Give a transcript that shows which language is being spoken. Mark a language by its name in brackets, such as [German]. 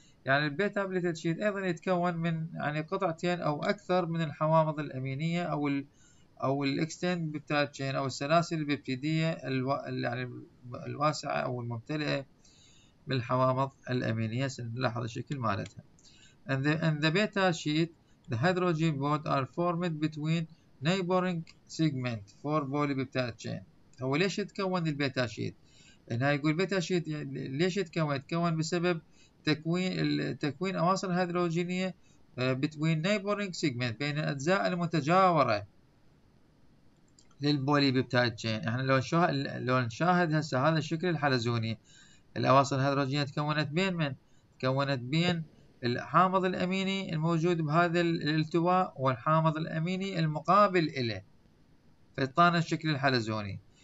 [Arabic] يعني البيتا بليتد شيت ايضا يتكون من يعني قطعتين او اكثر من الحوامض الامينيه او الـ او الاكستند بيبتايد تشين او السلاسل البيبتيديه يعني الواسعه او الممتلئه من الحوامض الامينيه. سنلاحظ الشكل مالتها. [English] And the beta sheet the hydrogen bond are formed between neighboring segment for polypeptide chain. [Arabic] هو ليش يتكون البيتا شيت؟ انها يقول بيتا شيت ليش يتكون؟ يتكون بسبب تكوين اواصر هيدروجينيه [English] between neighboring segment [Arabic] بين الاجزاء المتجاوره للبوليبيبتايد تشين. احنا لو نشاهد هسه هذا الشكل الحلزوني الاواصر الهيدروجينيه تكونت بين من؟ تكونت بين الحامض الاميني الموجود بهذا الالتواء والحامض الاميني المقابل له فاعطانا الشكل الحلزوني.